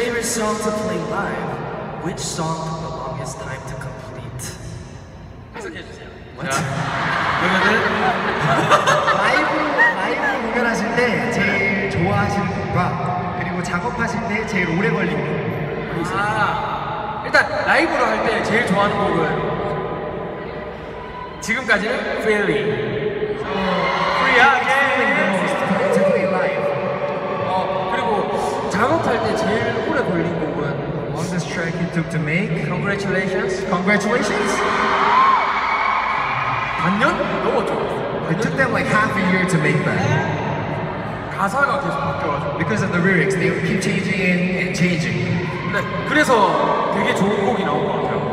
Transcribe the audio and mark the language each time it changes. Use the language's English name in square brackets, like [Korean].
[English] Which song took the longest time to complete? [Korean] 해석해주세요. [English] What? [Korean] 그러면은? 라이브 공연하실 때 제일 좋아하시는 곡과 그리고 작업하실 때 제일 오래 걸리는 곡 아, 일단 라이브로 할 때 제일 좋아하는 곡은 지금까지는 Freely [English] Free again! [Korean] 그리고 작업할 때 제일 오래 걸린 곡 [English] This track you took to make. Congratulations. Congratulations. [Korean] 반년? 너무 좋아. [English] It took them like half a year to make that. [Korean] 가사가 계속 바뀌어가지고. [English] Because of the lyrics, they keep changing and changing. [Korean] 네, 그래서 되게 좋은 곡이 나온 것 같아요.